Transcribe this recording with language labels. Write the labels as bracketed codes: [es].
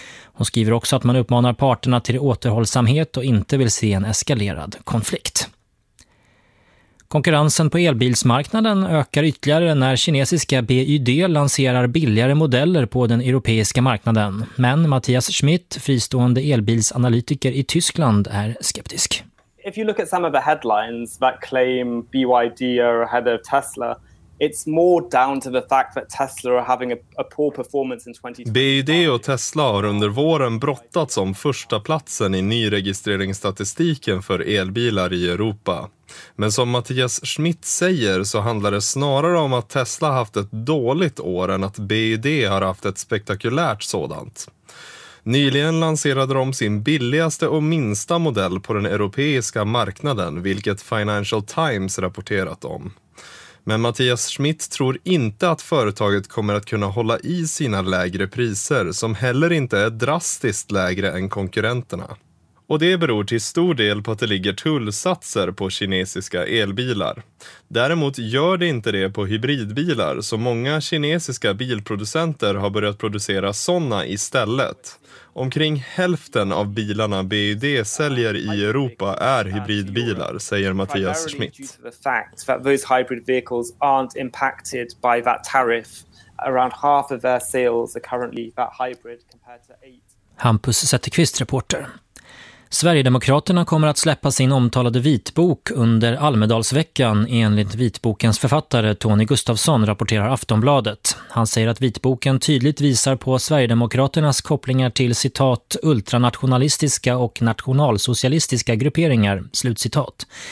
[sv] Hon skriver också att man uppmanar parterna till återhållsamhet och inte vill se en eskalerad konflikt. Konkurrensen på elbilsmarknaden ökar ytterligare när kinesiska BYD lanserar billigare modeller på den europeiska marknaden. Men Mattias Schmidt, fristående elbilsanalytiker i Tyskland, är skeptisk. [en] If you look at some of the headlines that claim BYD are ahead of Tesla, it's more down to the fact that Tesla are having a poor performance in 2020. [sv] BYD och Tesla har under våren brottats om första platsen i nyregistreringsstatistiken för elbilar i Europa. Men som Mattias Schmidt säger så handlar det snarare om att Tesla haft ett dåligt år än att BYD har haft ett spektakulärt sådant. Nyligen lanserade de sin billigaste och minsta modell på den europeiska marknaden, vilket Financial Times rapporterat om. Men Mattias Schmidt tror inte att företaget kommer att kunna hålla i sina lägre priser, som heller inte är drastiskt lägre än konkurrenterna. Och det beror till stor del på att det ligger tullsatser på kinesiska elbilar. Däremot gör det inte det på hybridbilar, så många kinesiska bilproducenter har börjat producera sådana istället. Omkring hälften av bilarna BYD säljer i Europa är hybridbilar, säger Mattias Schmidt. [en] Those hybrid vehicles aren't impacted by that tariff. Around half of their sales are currently that hybrid compared to 8. [sv] Hampus Zetterqvist, reporter. Sverigedemokraterna kommer att släppa sin omtalade vitbok under Almedalsveckan enligt vitbokens författare Tony Gustafsson, rapporterar Aftonbladet. Han säger att vitboken tydligt visar på Sverigedemokraternas kopplingar till citat ultranationalistiska och nationalsocialistiska grupperingar, slutcitat.